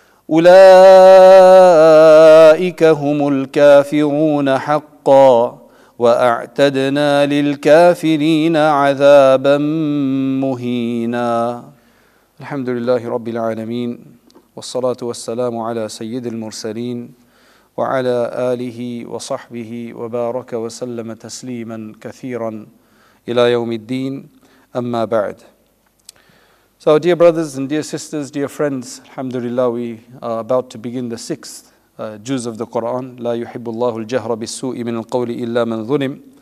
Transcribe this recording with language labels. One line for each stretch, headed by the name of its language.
Arabic: أولئك هم الكافرون حقا وأعتدنا للكافرين عذابا مهينا الحمد لله رب العالمين والصلاة والسلام على سيد المرسلين وعلى آله وصحبه وبارك وسلم تسليما كثيرا إلى يوم الدين أما بعد.
English: So dear brothers and dear sisters, dear friends, alhamdulillah, we are about to begin the sixth juz of the Quran.
Arabic: لا يحب الله الجهر بالسوء من القول إلا من ظلم.